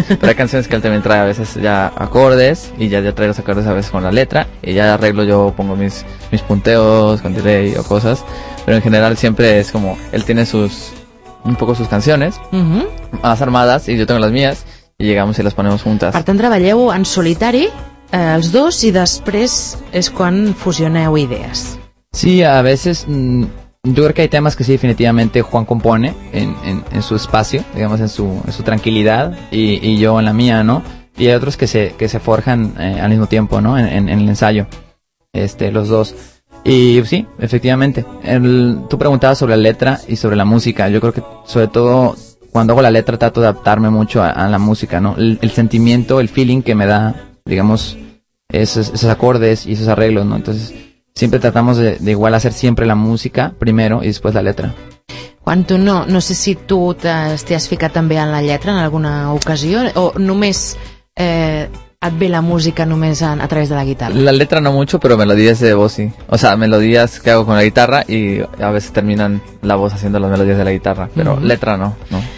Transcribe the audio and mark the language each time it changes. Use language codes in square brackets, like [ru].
[es] Pero hay canciones que él también trae a veces ya acordes, y ya trae los acordes a veces con la letra, y ya arreglo, yo pongo mis punteos con delay o cosas, pero en general siempre es como, él tiene un poco sus canciones, más armadas, y yo tengo las mías, i llegamos i les ponemos juntes. [ca] Per tant, treballeu en solitari els dos i després és quan fusioneu idees. [es] Sí, a veces yo creo que hay temas que sí, definitivamente Juan compone en su espacio, digamos, en su tranquilidad y yo en la mía, ¿no? Y hay otros que se forjan al mismo tiempo, ¿no? En el ensayo, los dos. Y sí, efectivamente, tú preguntabas sobre la letra y sobre la música. Yo creo que sobre todo cuando hago la letra trato de adaptarme mucho a la música, ¿no? El sentimiento, el feeling que me da, digamos, esos acordes y esos arreglos, ¿no? Entonces siempre tratamos de igual hacer siempre la música primero y después la letra. [ca] Juan, tú no sé si tú te has ficat també en la letra en alguna ocasió o només et ve la música només a través de la guitarra. [es] La letra no mucho, pero melodías de voz sí. O sea, melodías que hago con la guitarra y a veces terminan la voz haciendo las melodías de la guitarra, pero letra no, ¿no?